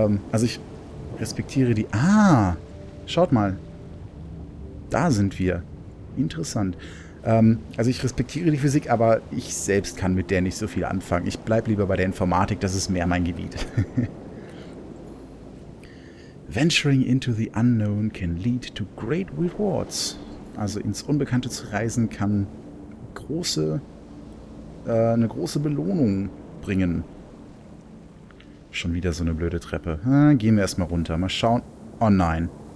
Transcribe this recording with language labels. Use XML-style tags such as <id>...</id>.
<de>Also ich respektiere die... Ah, schaut mal. Da sind wir. Interessant. Also ich respektiere die Physik, aber ich selbst kann mit der nicht so viel anfangen. Ich bleibe lieber bei der Informatik, das ist mehr mein Gebiet.</de> <en>Venturing into the unknown can lead to great rewards.</en> <de>Also ins Unbekannte zu reisen kann eine große Belohnung bringen. Schon wieder so eine blöde Treppe. Gehen wir erstmal runter, mal schauen. Oh nein.</de>